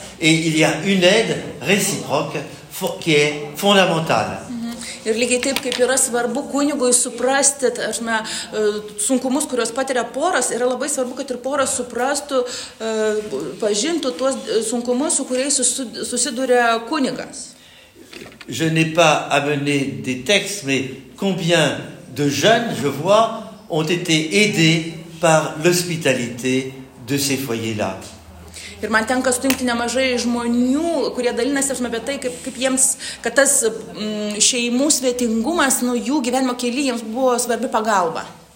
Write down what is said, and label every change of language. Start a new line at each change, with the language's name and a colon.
French: Et il y a une aide réciproque qui est fondamentale.
Lithuanian: Ir lygiai taip, kaip yra svarbu kunigui suprasti, aišme, sunkumus, kurios patiria poras, yra labai svarbu, kad ir poras suprastų, pažintų tuos sunkumus, su kuriais susiduria kunigas.
French: Je n'ai pas amené des textes, mais combien de jeunes, je vois, ont été aidés par l'hospitalité de ces foyers-là.
Lithuanian: Ir man tenka sutinkti nemažai žmonių, kurie dalinasi apie tai, kaip jiems, kad tas šeimų svetingumas, nu, jų gyvenimo keli, jiems buvo svarbi pagalba.